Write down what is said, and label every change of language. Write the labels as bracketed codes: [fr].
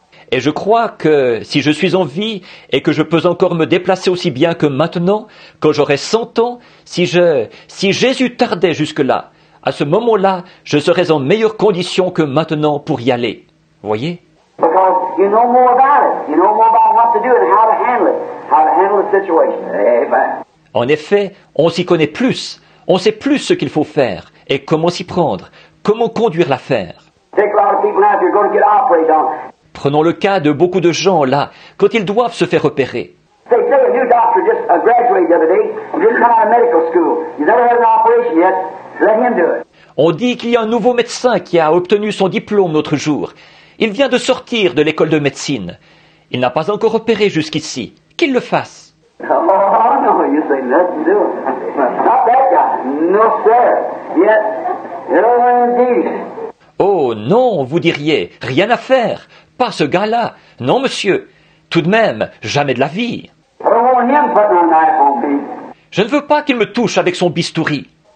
[fr] Et je crois que si je suis en vie et que je peux encore me déplacer aussi bien que maintenant, quand j'aurai 100 ans, si Jésus tardait jusque-là, à ce moment-là, je serais en meilleure condition que maintenant pour y aller. Voyez ? [en] Because you know more about it. You know more about what to do and how to handle it. How to handle the situation. Amen. [fr] En effet, on s'y connaît plus. On sait plus ce qu'il faut faire et comment s'y prendre, comment conduire l'affaire. [en] Take a lot of people out, you're going to get operated on. [fr] Prenons le cas de beaucoup de gens là, quand ils doivent se faire opérer. [en] They say a new doctor just graduated the other day. He just came out of medical school. He's never had an operation yet. Let him do it. [fr] On dit qu'il y a un nouveau médecin qui a obtenu son diplôme l'autre jour. Il vient de sortir de l'école de médecine. Il n'a pas encore opéré jusqu'ici. Qu'il le fasse. [en] Oh, no, you say nothing to him. Not that guy. No, sir. Yes. You don't want to teach. [fr] Oh, non, vous diriez. Rien à faire. Pas ce gars-là. Non, monsieur. Tout de même, jamais de la vie. [en] I don't want him putting a knife on me. [fr] Je ne veux pas qu'il me touche avec son bistouri.